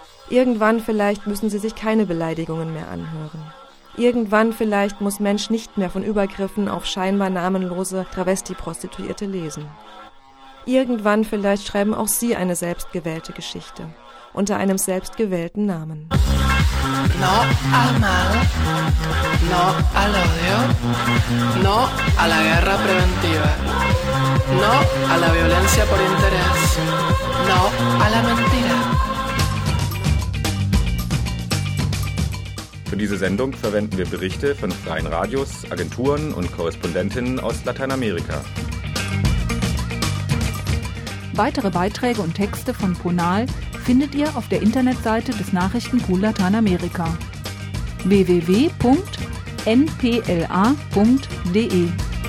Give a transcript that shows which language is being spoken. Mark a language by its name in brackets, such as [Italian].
[German] Irgendwann vielleicht müssen sie sich keine Beleidigungen mehr anhören. Irgendwann vielleicht muss Mensch nicht mehr von Übergriffen auf scheinbar namenlose Travesti-Prostituierte lesen. Irgendwann vielleicht schreiben auch sie eine selbstgewählte Geschichte unter einem selbstgewählten Namen. [Spanish] No al mal, no al odio, no a la guerra preventiva, no a la violencia por interés, no a la mentira. [German] Für diese Sendung verwenden wir Berichte von freien Radios, Agenturen und Korrespondentinnen aus Lateinamerika. Weitere Beiträge und Texte von Ponal findet ihr auf der Internetseite des Nachrichtenpool Lateinamerika www.npla.de.